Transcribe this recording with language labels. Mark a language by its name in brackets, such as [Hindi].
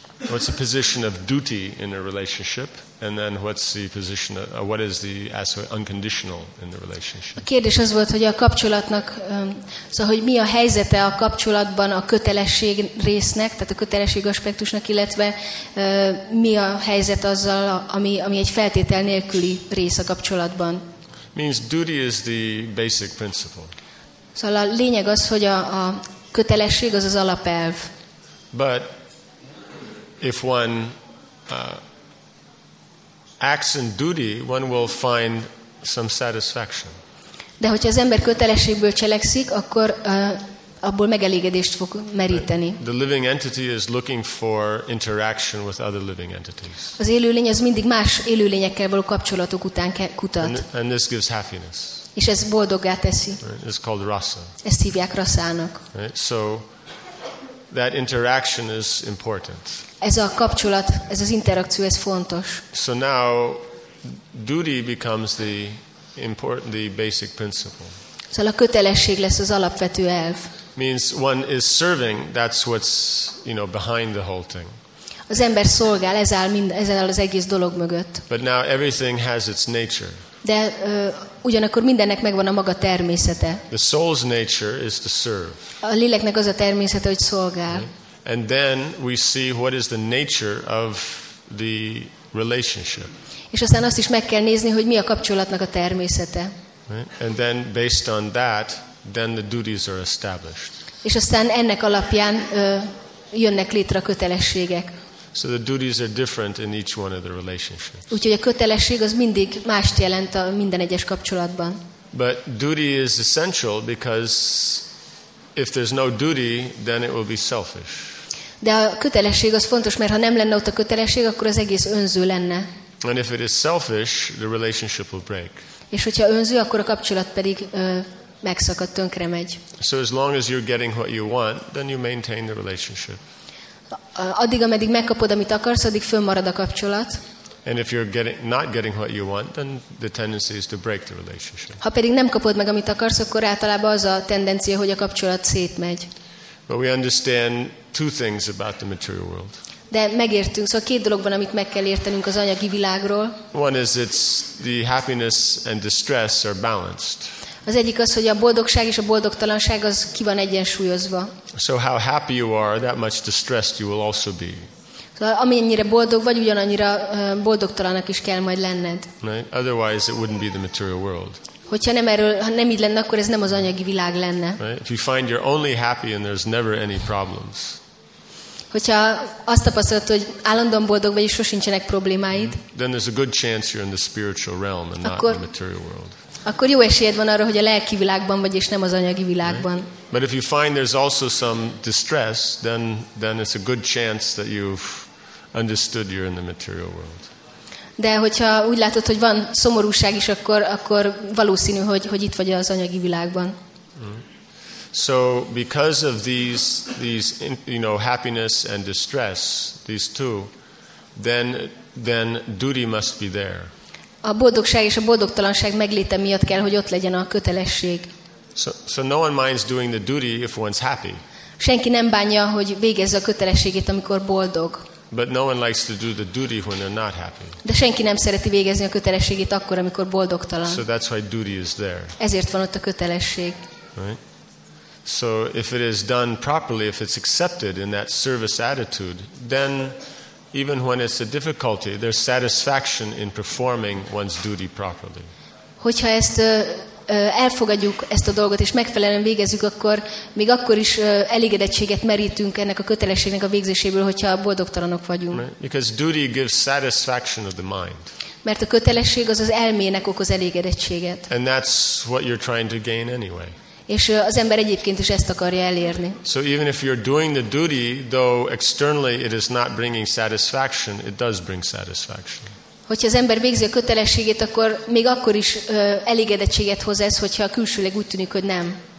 [English] What's the position of duty in a relationship, and then what's the position? What is the unconditional in the relationship? [Hungarian] A kérdés az volt, hogy a kapcsolatnak, szóval hogy mi a helyzete a kapcsolatban a kötelesség résznek, tehát a kötelesség aspektusnak, illetve mi a helyzet azzal, ami egy feltétel nélküli rész a kapcsolatban. [English] Means duty is the basic principle. [Hungarian] Szóval a lényeg az, hogy a kötelesség az az alapelv. [English] But if one acts in duty, one will find some satisfaction. [Hungarian] De hogyha az ember kötelességből cselekszik, akkor abból megelégedést fog meríteni. [English] The living entity is looking for interaction with other living entities. [Hungarian] Az élőlény az mindig más élőlényekkel való kapcsolatok után kutat. [English] And this gives happiness. [Hungarian] És ez boldoggá teszi. [English] It's called rasa. [Hungarian] Ezt hívják rasának. [English] Right? So that interaction is important. [Hungarian] Ez a kapcsolat, ez az interakció, ez fontos. [English] So now duty becomes the important, the basic principle. [Hungarian] Szóval a kötelesség lesz az alapvető elv. [English] Means one is serving, that's what's, you know, behind the whole thing. [Hungarian] Az ember szolgál, ez áll az egész dolog mögött. [English] But now everything has its nature. [Hungarian] De ugyanakkor mindennek megvan a maga természete. [English] The soul's nature is to serve. [Hungarian] A léleknek az a természete, hogy szolgál. [English] And then we see what is the nature of the relationship. [Hungarian] És aztán azt is meg kell nézni, hogy mi a kapcsolatnak a természete. [English] And then based on that, then the duties are established. [Hungarian] És aztán ennek alapján jönnek létre a kötelességek. [English] So the duties are different in each one of the relationships. [Hungarian] Úgyhogy a kötelesség az mindig mást jelent a minden egyes kapcsolatban. [English] But duty is essential because if there's no duty, then it will be selfish. [Hungarian] De a kötelesség az fontos, mert ha nem lenne ott a kötelesség, akkor az egész önző lenne. [English] And if it is selfish, the relationship will break. [Hungarian] És hogyha önző, akkor a kapcsolat pedig megszakad, tönkre megy. [English] So as long as you're getting what you want, then you maintain the relationship. [Hungarian] Addig, ameddig megkapod, amit akarsz, addig fönnmarad a kapcsolat. [English] And if you're not getting what you want, then the tendency is to break the relationship. [Hungarian] Ha pedig nem kapod meg, amit akarsz, akkor általában az a tendencia, hogy a kapcsolat szétmegy. [English] But we understand two things about the material world. [Hungarian] De megértünk, szóval két dolog van, amit meg kell értenünk az anyagi világról. [English] One is it's the happiness and distress are balanced. [Hungarian] Az egyik az, hogy a boldogság és a boldogtalanság az ki van egyensúlyozva. [English] So how happy you are, that much distressed you will also be. [Hungarian] Szóval amennyire boldog vagy, ugyanannyira boldogtalannak is kell majd lenned. [English] Right? Otherwise it wouldn't be the material world. [Hungarian] Hogyha nem erről, ha nem így lenne, akkor ez nem az anyagi világ lenne. [English] Right? If you find you're only happy and there's never any problems. [Hungarian] Hogyha azt tapasztalod, hogy állandóan boldog vagy, és sosincsenek problémáid, [English] then there's a good chance you're in the spiritual realm and not the material world. [Hungarian] Akkor jó esélyed van arra, hogy a lelki világban vagy, és nem az anyagi világban. [English] But if you find there's also some distress, then it's a good chance that you've understood you're in the material world. [Hungarian] De hogyha úgy látod, hogy van szomorúság is, akkor valószínű, hogy itt vagy az anyagi világban. [English] So because of these you know, happiness and distress, these two, then duty must be there. [Hungarian] A boldogság és a boldogtalanság megléte miatt kell, hogy ott legyen a kötelesség. [English] So no one minds doing the duty if one's happy. [Hungarian] Senki nem bánja, hogy végezze a kötelességét, amikor boldog. [English] But no one likes to do the duty when they're not happy. [Hungarian] De senki nem szereti végezni a kötelességét akkor, amikor boldogtalan. [English] So that's why duty is there. [Hungarian] Ezért van ott a kötelesség. [English] Right? So if it is done properly, if it's accepted in that service attitude, then even when it's a difficulty, there's satisfaction in performing one's duty properly. [Hungarian] Hogyha ezt elfogadjuk ezt a dolgot és megfelelően végezzük, akkor még akkor is elégedettséget merítünk ennek a kötelességnek a végzéséből, hogyha boldogtalanok vagyunk. [English] Right? Because duty gives satisfaction of the mind. [Hungarian] Mert a kötelesség az elmének okoz elégedettséget. [English] And that's what you're trying to gain anyway. [Hungarian] És az ember egyébként is ezt akarja elérni. [English] So even if you're doing the duty, though externally it is not bringing satisfaction, it does bring satisfaction. [Hungarian] Hogyha az ember végzi a kötelességét, akkor még akkor is elégedettséget hoz ez, hogyha külsőleg úgy tűnik, hogy nem.